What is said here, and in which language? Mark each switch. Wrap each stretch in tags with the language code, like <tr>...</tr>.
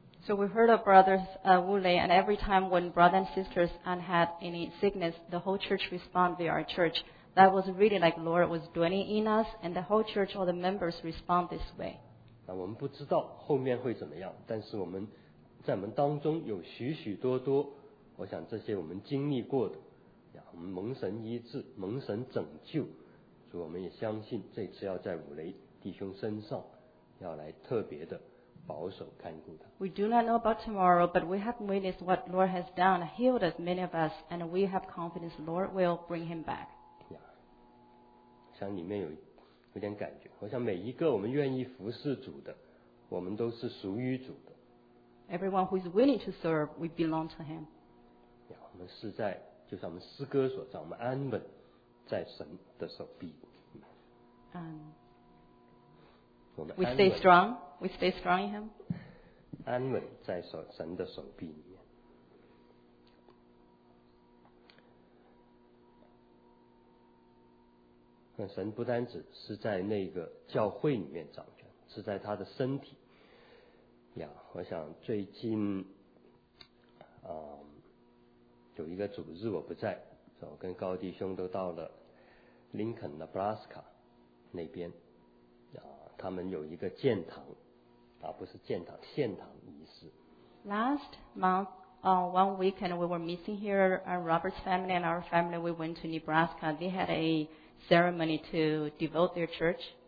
<en>So we heard of brothers Wu Lei, and every time when brothers and sisters had any sickness, the whole church responded via our church. That was really like Lord was dwelling in us, and the whole church, all the members respond this way.</en> <zh>那我们不知道后面会怎么样，但是我们在我们当中有许许多多，我想这些我们经历过的，我们蒙神医治，蒙神拯救，主我们也相信这次要在五雷弟兄身上，要来特别的保守看顾他。</zh> <en>We do not know about tomorrow, but we have witnessed what Lord has done, healed us, many of us, and we have confidence Lord will bring him back.</en> <zh>想里面有点感觉，我想每一个我们愿意服侍主的，我们都是属于主的。</zh> <en>Everyone who is willing to serve, we belong to him.</en> <zh>我们是在，就像我们诗歌所唱，我们安稳在神的手臂。</zh> <en>We stay strong. We stay strong in him.</en> <zh>安稳在神的手臂里面。神不单只是在那个教会里面掌权，是在他的身体。我想最近有一个主日我不在，我跟高弟兄都到了林肯的布拉斯卡那边他们有一个建堂不是建堂，献堂仪式。</zh> <en>Last month, one weekend we were meeting here, Robert's family and our family, we went to Nebraska. They had a ceremony to devote their church.</en>